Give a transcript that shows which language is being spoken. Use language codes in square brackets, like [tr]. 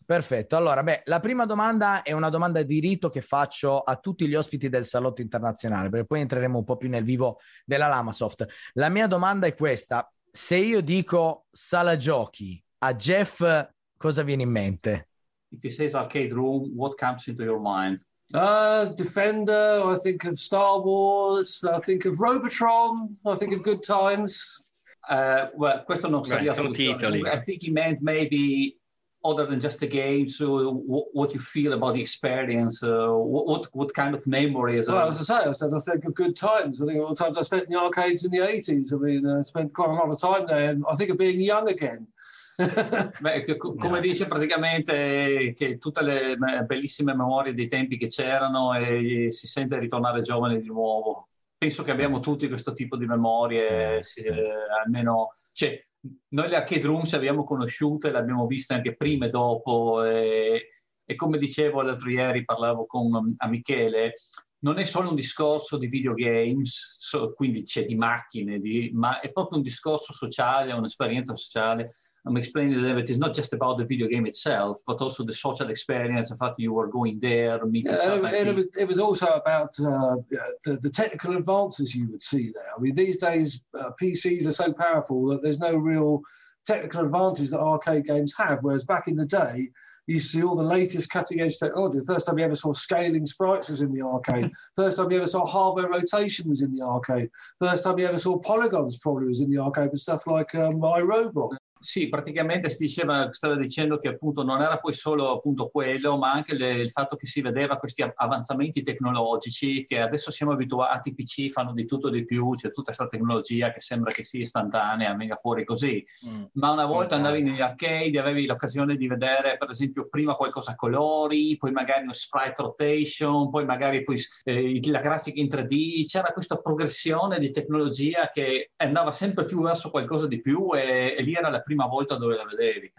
[it] Perfetto. Allora, la prima domanda è una domanda di rito che faccio a tutti gli ospiti del salotto internazionale, perché poi entreremo un po' più nel vivo della Lamasoft. La mia domanda è questa: se io dico sala giochi, a Jeff cosa viene in mente? [en] If he says arcade room, what comes into your mind? Defender, I think of Star Wars, I think of Robotron, I think of Good Times. [it] Questo non sarebbe sono titoli. [en] I think he meant maybe other than just the game, so what you feel about the experience, what kind of memory is it? Well, as I say, I think of Good Times. I think of all the times I spent in the arcades in the 80s. I mean, I spent quite a lot of time there, and I think of being young again. [it] Come dice praticamente che tutte le bellissime memorie dei tempi che c'erano e si sente ritornare giovane di nuovo. Penso che abbiamo tutti questo tipo di memorie, almeno, cioè, noi le arcade rooms abbiamo conosciute, le abbiamo viste anche prima e dopo, e come dicevo l'altro ieri, parlavo con a Michele, non è solo un discorso di videogames, quindi c'è di macchine, ma è proprio un discorso sociale, un'esperienza sociale. [en] I'm explaining that it is not just about the video game itself, but also the social experience, the fact you were going there, meeting it was also about the technical advances you would see there. I mean, these days, PCs are so powerful that there's no real technical advantage that arcade games have, whereas back in the day, you see all the latest cutting-edge technology. The first time you ever saw scaling sprites was in the arcade. First time you ever saw hardware rotation was in the arcade. First time you ever saw polygons probably was in the arcade, but stuff like iRobot. [it] Sì, praticamente stava dicendo che appunto non era poi solo appunto quello, ma anche il fatto che si vedeva questi avanzamenti tecnologici che adesso siamo abituati, PC fanno di tutto di più, c'è tutta questa tecnologia che sembra che sia istantanea, venga fuori così. Ma una volta andavi negli arcade, avevi l'occasione di vedere per esempio prima qualcosa a colori, poi magari uno sprite rotation, poi magari la grafica in 3D, c'era questa progressione di tecnologia che andava sempre più verso qualcosa di più, e lì era la prima volta dove la vedevi.